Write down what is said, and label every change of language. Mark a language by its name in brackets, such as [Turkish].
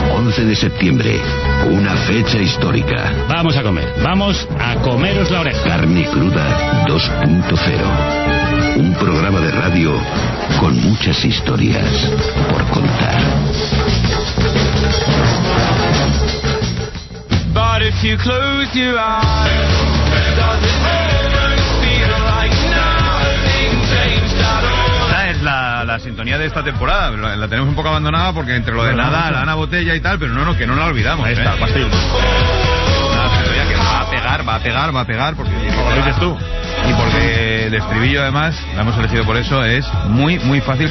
[Spanish] 11 de septiembre, una fecha histórica. Vamos a comer, vamos a comeros la oreja. Carne Cruda 2.0, un programa de radio con muchas historias por contar. [English] But if you close your eyes, does it ever feel like nothing changed at all? [Spanish] La sintonía de esta temporada la tenemos un poco abandonada porque entre lo de no, nada, la Ana Botella y tal, pero no, que no la olvidamos. Ahí está, ¿eh? Pastillo. Nada, pero ya que va a pegar, porque lo dices tú. Y porque el estribillo, además, la hemos elegido por eso, es muy, muy fácil.